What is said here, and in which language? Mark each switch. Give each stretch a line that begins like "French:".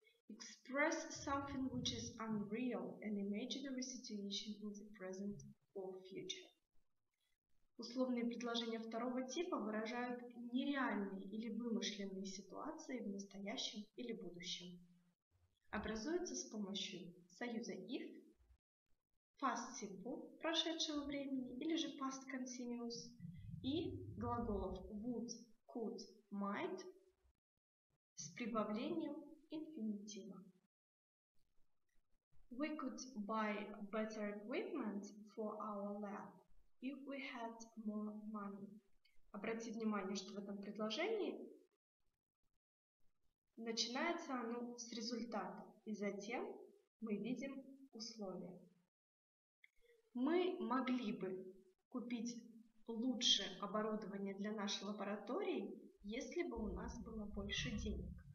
English: Express something which is unreal, an imaginary situation in the present or future.
Russian: Условные предложения второго типа выражают нереальные или вымышленные ситуации в настоящем или будущем. Образуются с помощью союза if, past simple прошедшего времени или же past continuous и глаголов would, could, might с прибавлением инфинитива.
English: We could buy better equipment for our lab if we had more money.
Russian: Обратите внимание, что в этом предложении начинается оно с результата, и затем мы видим условия. Мы могли бы купить лучшее оборудование для нашей лаборатории, если бы у нас было больше денег.